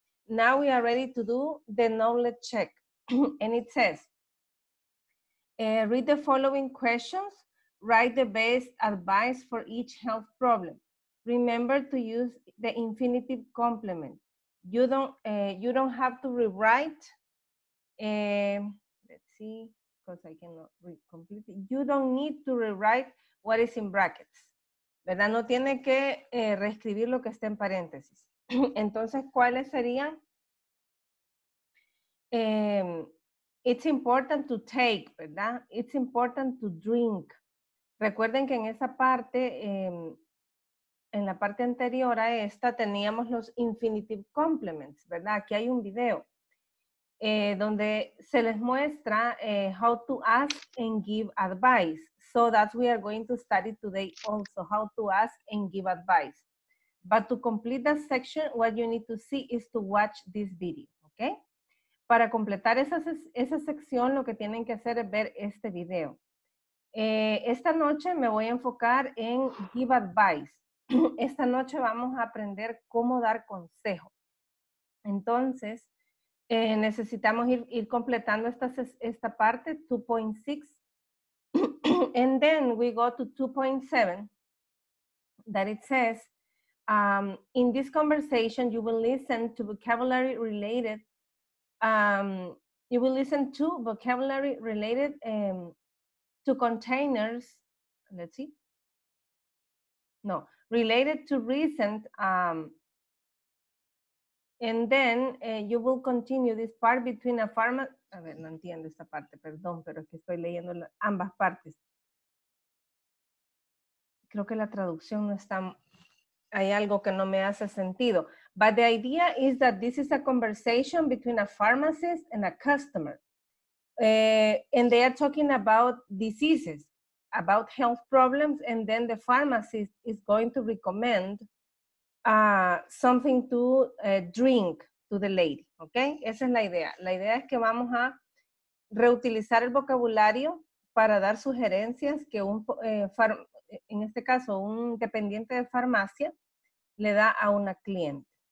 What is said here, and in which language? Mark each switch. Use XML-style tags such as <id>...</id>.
<en>Now we are ready to do the knowledge check. And it says, read the following questions, write the best advice for each health problem. Remember to use the infinitive complement. You don't have to rewrite. Let's see, because I cannot read completely. You don't need to rewrite what is in brackets.</en> <es>¿Verdad? No tiene que reescribir lo que está en paréntesis. Entonces, ¿cuáles serían?</es> <en>It's important to take, ¿verdad? It's important to drink.</en> <es>Recuerden que en esa parte, en la parte anterior a esta, teníamos los infinitive complements, ¿verdad? Aquí hay un video donde se les muestra how to ask and give advice.</es> <en>So that's what we are going to study today also, how to ask and give advice. But to complete that section, what you need to see is to watch this video, okay?</en> <es>Para completar esa sección, lo que tienen que hacer es ver este video. Esta noche me voy a enfocar en give advice. Esta noche vamos a aprender cómo dar consejo. Entonces, necesitamos ir completando esta parte, 2.6.</es> <en>And then we go to 2.7, that it says, in this conversation, you will listen to vocabulary related, to containers, let's see, no, related to recent, and</en> <es>then you will continue this part between a pharma, a ver, no entiendo esta parte, perdón, pero es que estoy leyendo ambas partes. Creo que la traducción no está, hay algo que no me hace sentido.</es> <en>But the idea is that this is a conversation between a pharmacist and a customer. And they are talking about diseases, about health problems, and then the pharmacist is going to recommend something to drink to the lady, okay?</en> <es>Esa es la idea. La idea es que vamos a reutilizar el vocabulario para dar sugerencias que un en este caso, un dependiente de farmacia le da a una cliente.</es>